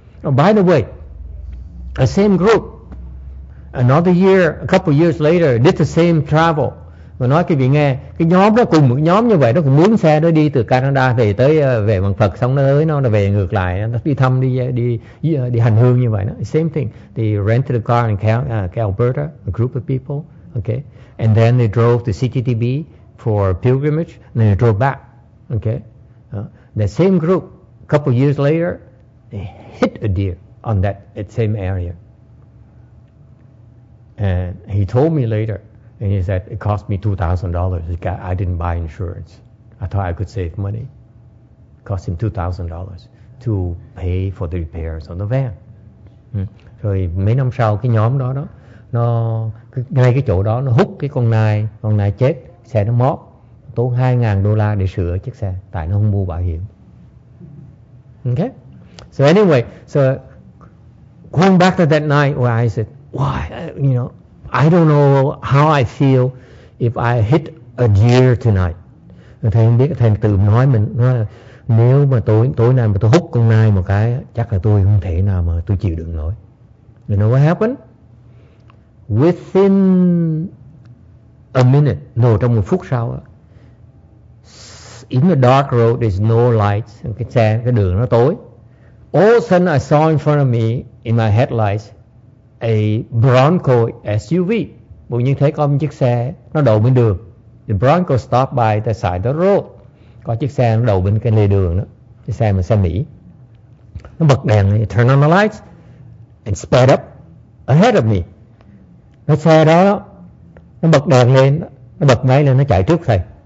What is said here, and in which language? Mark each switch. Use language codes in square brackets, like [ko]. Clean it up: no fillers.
[en] Oh, by the way, the same group, another year, a couple years later, did the same travel. [vi] Và nói cái vị nghe, cái nhóm đó cùng một nhóm như vậy đó, cũng muốn xe nó đi từ Canada về tới về bằng Phật, xong nó tới nó về ngược lại, nó đi thăm đi hành hương như vậy đó. [en] Same thing, they rented a car in Alberta, a group of people, okay, and then they drove to CTTB for pilgrimage, and then they drove back, okay. The same group, a couple years later, they hit a deer on that same area, and he told me later. And he said, it cost me $2,000. I didn't buy insurance. I thought I could save money. It cost him $2,000 to pay for the repairs on the van. [vi] Rồi mấy năm sau cái nhóm đó, nó ngay cái chỗ đó, nó hút cái con nai chết, xe nó móp, tốn $2,000 để sửa chiếc xe, tại nó không mua bảo hiểm. [en] Okay? So anyway, so going back to that night where I said, why, you know, I don't know how I feel if I hit a deer tonight. [vi] Thầy không biết, thầy tự nói mình, nếu mà tối nay mà tôi hút con nai một cái, chắc là tôi không thể nào mà tôi chịu đựng nổi. [en] You know what happened? Within a minute, no, [vi] trong một phút sau, [en] in the dark road, there's no lights, [vi] cái đường nó tối. [en] All of a sudden, I saw in front of me, in my headlights, a Bronco SUV. [vi] Bỗng nhiên thấy có một chiếc xe nó đậu bên đường. [en] The Bronco stopped by the side of the road. [vi] Có chiếc xe nó đậu bên cái lề đường đó. Chiếc xe mà xe Mỹ. Nó bật đèn lên, [en] turn on the lights and sped up ahead of me. [vi] Cái xe đó nó bật đèn lên, nó bật máy lên, nó chạy trước thầy.